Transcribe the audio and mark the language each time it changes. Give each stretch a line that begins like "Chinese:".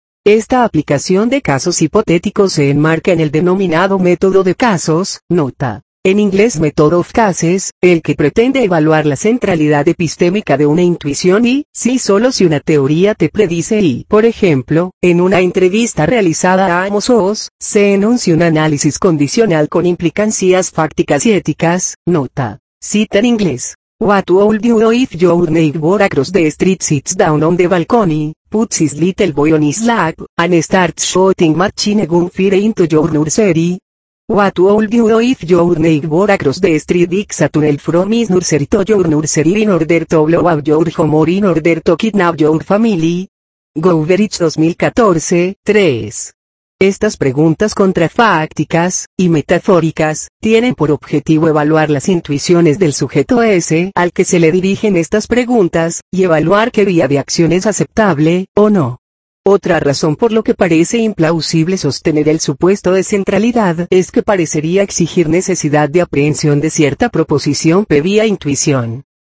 Spanish: Esta aplicación de casos hipotéticos se enmarca en el denominado método de casos, nota, en inglés Method of Cases, el que pretende evaluar la centralidad epistémica de una intuición y, si solo si una teoría te predice y, por ejemplo, en una entrevista realizada a Amos Oz, se enuncia un análisis condicional con implicancias fácticas y éticas, nota, cita en inglés.
English: What would you do if your neighbor across the street sits down on the balcony, puts his little boy on his lap, and starts shooting machine gun fire into your nursery? What would you do if your neighbor across the street digs a tunnel from his nursery to your nursery in order to blow up your home or in order to kidnap your family? Goveridge 2014, 3.
Spanish: Estas preguntas contrafácticas y metafóricas tienen por objetivo evaluar las intuiciones del sujeto S al que se le dirigen estas preguntas y evaluar qué vía de acción es aceptable o no. Otra razón por lo que parece implausible sostener el supuesto de centralidad es que parecería exigir necesidad de aprehensión de cierta proposición P vía intuición.